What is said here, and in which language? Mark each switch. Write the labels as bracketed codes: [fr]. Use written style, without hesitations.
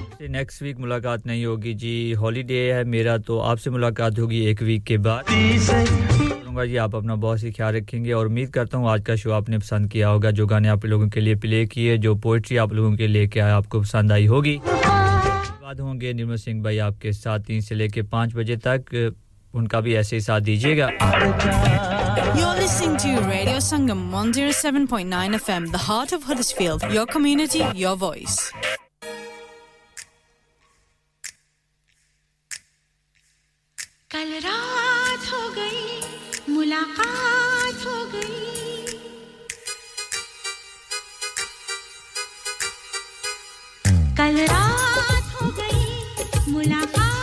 [ur] next week ملاقات نہیں ہوگی جی ہالیڈے ہے میرا تو آپ سے ملاقات ہوگی ایک ویک کے بعد جی آپ اپنا بہت سی خیال رکھیں گے اور امید کرتا ہوں آج کا شو آپ نے پسند کیا ہوگا جو گانے آپ لوگوں کے لیے پلے کیے جو پوئٹری آپ لوگوں کے لے کے آیا آپ کو پسند آئی ہوگی بعد ہوں گے نرمل سنگھ بھائی آپ کے ساتھ 3 سے لے کے 5 بجے تک ان کا بھی ایسے ہی ساتھ دیجئے گا [en] You're listening to Radio Sangam 107.9 FM The heart of Huddersfield Your community, your voice [ur] کل رات ہو گئی ملاقات ہو گئی کل رات ہو گئی ملاقات